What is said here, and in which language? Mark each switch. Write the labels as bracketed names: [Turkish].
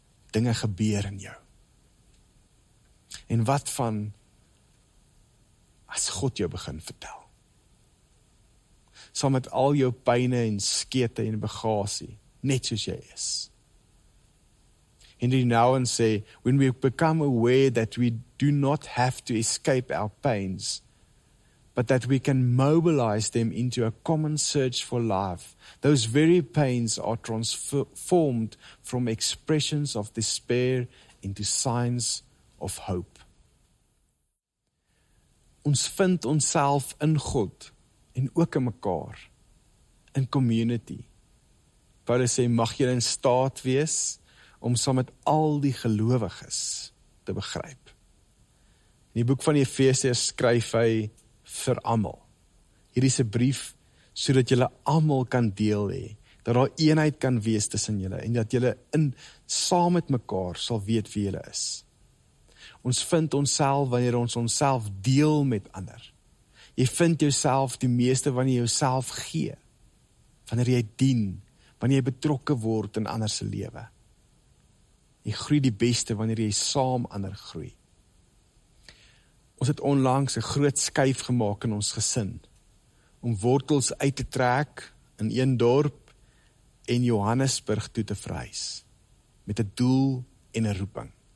[Afrikaans] Dinge gebeur in jou. En wat van as God jou begin vertel? Saam met al jou pyne en skete en bagasie, net soos jy is. [English] Henry Nouwen sê, when we become aware that we do not have to escape our pains, but that we can mobilize them into a common search for love, those very pains are transformed from expressions of despair into signs of hope. [Afrikaans] Ons vind onsself in God en ook in mekaar, in community. Paulus sê, mag jy in staat wees om saam met al die gelowiges te begryp. In die boek van Efesiërs skryf hy vir almal. Hierdie is 'n brief sodat julle almal kan deel hê, dat daar eenheid kan wees tussen julle en dat julle in saam met mekaar sal weet wie julle is. Ons vind onsself wanneer ons onsself deel met ander. Jy vind jouself die meeste wanneer jy jouself gee, wanneer jy dien, wanneer jy betrokke word in ander se lewe. Jy groei die beste wanneer jy saam ander groei. Ons het onlangs 'n groot skuif gemaak in ons gesin om wortels uit te trek in een dorp en Johannesburg toe te verhuis met 'n doel en 'n roeping.